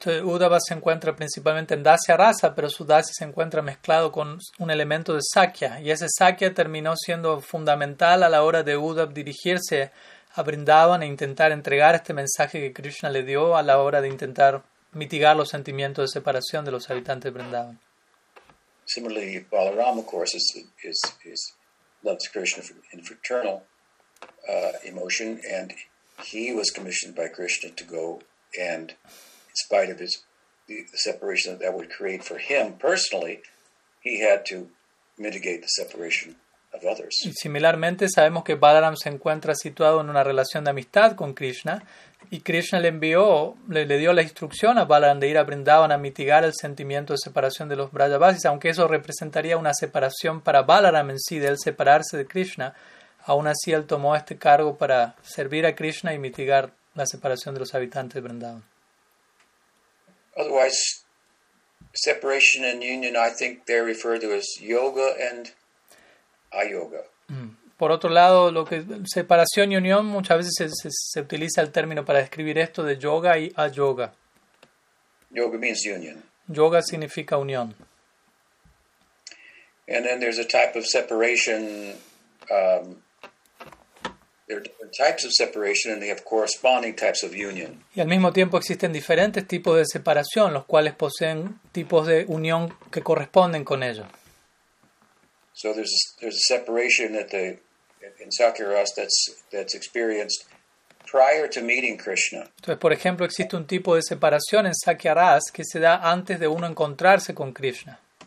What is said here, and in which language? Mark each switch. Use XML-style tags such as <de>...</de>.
<es>Entonces, Uddhava se encuentra principalmente en Dasya Rasa, pero su Dasya se encuentra mezclado con un elemento de Sakya, y ese Sakya terminó siendo fundamental a la hora de Uddhava dirigirse a Vrindavan e intentar entregar este mensaje que Krishna le dio a la hora de intentar mitigar los sentimientos de separación de los habitantes de Vrindavan.</es> <en>Similarly, Balaram, of course, is loves Krishna in fraternal emotion, and he was commissioned by Krishna to go, and in spite of the separation that would create for him personally, he had to mitigate the separation of others.</en> <es>Y similarmente, sabemos que Balaram se encuentra situado en una relación de amistad con Krishna, y Krishna le dio la instrucción a Balaram de ir a Vrindavan a mitigar el sentimiento de separación de los Brajavasis, aunque eso representaría una separación para Balaram en sí, de él separarse de Krishna. Aún así, él tomó este cargo para servir a Krishna y mitigar la separación de los habitantes de Vrindavan.</es> <en>Otherwise, separation and union, I think they refer to as yoga and ayoga.</en> <es>Por otro lado, lo que separación y unión, muchas veces se utiliza el término para describir esto de yoga y ayoga.</es> <en>Yoga means union.</en> <es>Yoga significa unión.</es> <en>And then there's a type of separation. There are different types of separation, and they have corresponding types of union.</en> <es>Y al mismo tiempo existen diferentes tipos de separación, los cuales poseen tipos de unión que corresponden con ellos.</es> <en>So there's a separation in Sakyaras that's experienced prior to meeting Krishna.</en> <es>Entonces, por ejemplo, existe un tipo de separación en Sakyaras que se da antes de uno encontrarse con Krishna.</es>